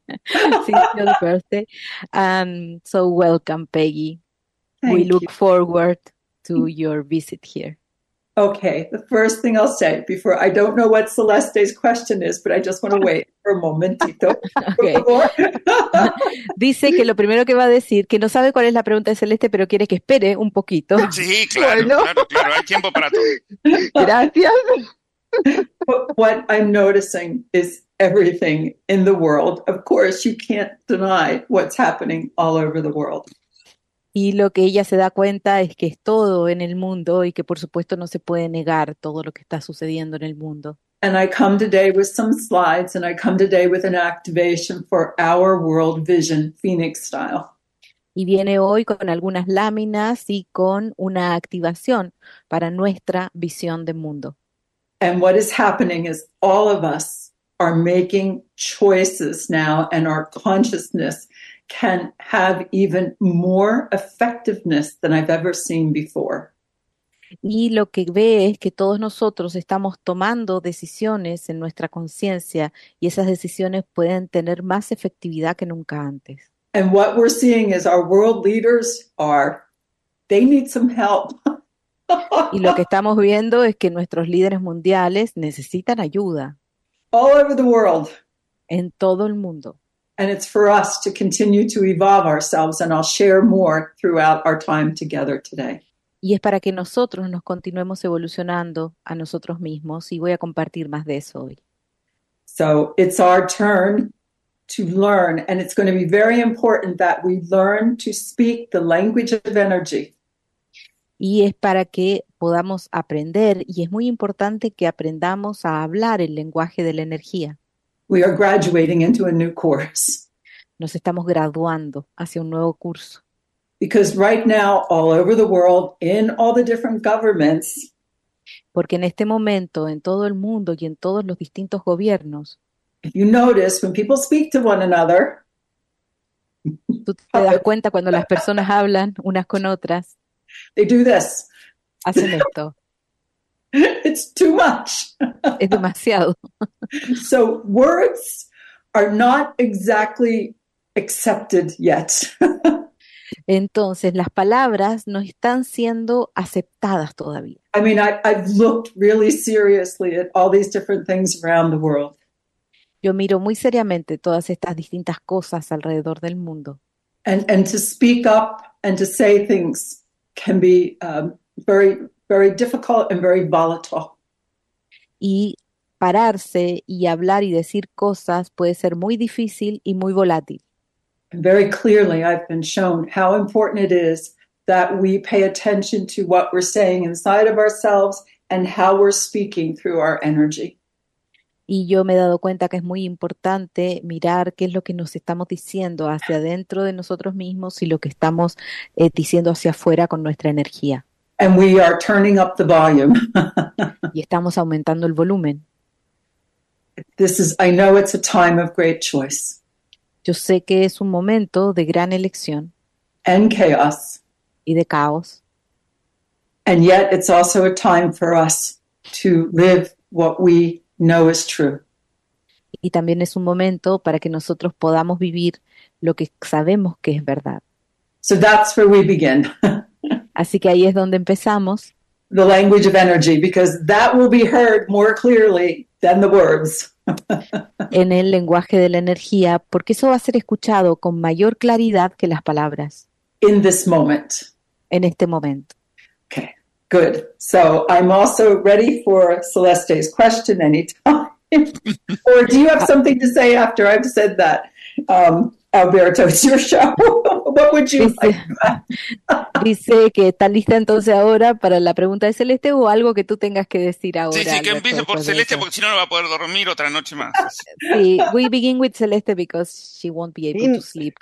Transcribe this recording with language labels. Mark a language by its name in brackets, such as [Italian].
[English] Since your birthday. And so welcome, Peggy. We Thank look forward to your visit here. Okay, the first thing I'll say before, I don't know what Celeste's question is, but I just want to wait for a [Spanish] momentito, Dice que lo primero que va a decir, que no sabe cuál es la pregunta de Celeste, pero quiere que espere un poquito. favor. Sí, Bueno. claro, hay tiempo para todo. Gracias. [English] What I'm noticing is everything in the world. Of course, you can't deny what's happening all over the world. [Spanish] Y lo que ella se da cuenta es que es todo en el mundo y que por supuesto no se puede negar todo lo que está sucediendo en el mundo. [English] And I come today with some slides, and I come today with an activation for our world vision, Phoenix style. [Spanish] Y viene hoy con algunas láminas y con una activación para nuestra visión de mundo. [English] And what is happening is all of us are making choices now, and our consciousness can have even more effectiveness than I've ever seen before. [Spanish] Y lo que ve es que todos nosotros estamos tomando decisiones en nuestra conciencia y esas decisiones pueden tener más efectividad que nunca antes. [English] And what we're seeing is our world leaders are, they need some help. [Spanish] Y lo que estamos viendo es que nuestros líderes mundiales necesitan ayuda [English] over the world. [Spanish] en todo el mundo. [English] And it's for us to continue to evolve ourselves, and I'll share more throughout our time together today. [Spanish] Y es para que nosotros nos continuemos evolucionando a nosotros mismos, y voy a compartir más de eso hoy. [English] So it's our turn to learn, and it's going to be very important that we learn to speak the language of energy. [Spanish] Y es para que podamos aprender, y es muy importante que aprendamos a hablar el lenguaje de la energía. [English] We are graduating into a new course. [Spanish] Nos estamos graduando hacia un nuevo curso. [English] Because right now, all over the world, in all the different governments, [Spanish] Porque en este momento, en todo el mundo y en todos los distintos gobiernos, [English] if you notice when people speak to one another, [Spanish] tú te das cuenta cuando las personas hablan unas con otras, [English] they do this. [Spanish] hacen esto. [English] It's too much. [Spanish] Es demasiado. [English] So words are not exactly accepted yet. [Spanish] Entonces, las palabras no están siendo aceptadas todavía. [English] I mean, I've looked really seriously at all these different things around the world. [Spanish] Yo miro muy seriamente todas estas distintas cosas alrededor del mundo. [English] And to speak up and to say things can be very, very difficult and very volatile. [Spanish] Y pararse y hablar y decir cosas puede ser muy difícil y muy volátil. [English] Very clearly, I've been shown how important it is that we pay attention to what we're saying inside of ourselves and how we're speaking through our energy. [Spanish] Y yo me he dado cuenta que es muy importante mirar qué es lo que nos estamos diciendo hacia adentro de nosotros mismos y lo que estamos diciendo hacia afuera con nuestra energía. [English] And we are turning up the [Spanish] Y [English] volume. [Spanish] estamos aumentando el volumen. [English] This is, I know it's a time of great choice. [Spanish] Yo sé que es un momento de gran elección [English] And chaos. [Spanish] y de caos. [English] And yet it's also a time for us to live what we know is true. [Spanish] Y también es un momento para que nosotros podamos vivir lo que sabemos que es verdad. [English] So that's where we begin. [Spanish] Así que ahí es donde empezamos. [English] The language of energy, because that will be heard more clearly than the words. [Spanish] En el lenguaje de la energía, porque eso va a ser escuchado con mayor claridad que las palabras [English] In this moment. [Spanish] en este momento. [English] Okay, good. So I'm also ready for Celeste's question anytime. Or do you have something to say after I've said that? Alberto, it's your show. What would you [Spanish] Dice [English] like? [Spanish] que está lista entonces ahora para la pregunta de Celeste o algo que tú tengas que decir ahora, Sí, que empiece Alberto, por después de Celeste, eso. porque si no, no va a poder dormir otra noche más. Así. [English] Sí, we begin with Celeste because she won't be able to sleep